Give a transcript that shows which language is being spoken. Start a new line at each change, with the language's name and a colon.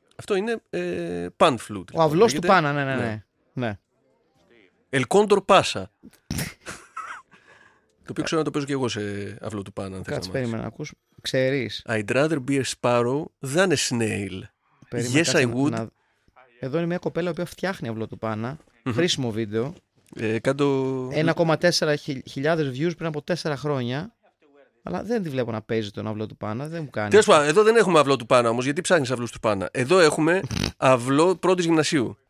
Greek: Αυτό είναι pan flute. Ο αυλός του Πάνα, ναι. El Condor Pasa. Το οποίο ξέρω να το παίζω και εγώ σε αυλό του Πάνα. Κάτσε, περίμενα, ακούς. Ξέρεις.
English: I'd rather be a sparrow than a snail.
Greek: Περίμενα,
English: yes, I would.
Greek: Εδώ είναι μια κοπέλα που φτιάχνει αυλό του Πάνα. Mm-hmm. Χρήσιμο βίντεο. Κάτω... 1,4 χιλιάδες views πριν από 4 χρόνια. Αλλά δεν τη βλέπω να παίζει τον αυλό του Πάνα, δεν μου κάνει. Τέλος πάντων, εδώ δεν έχουμε αυλό του Πάνα όμως, γιατί ψάχνεις αυλού του Πάνα. Εδώ έχουμε αυλό πρώτης γυμνασίου.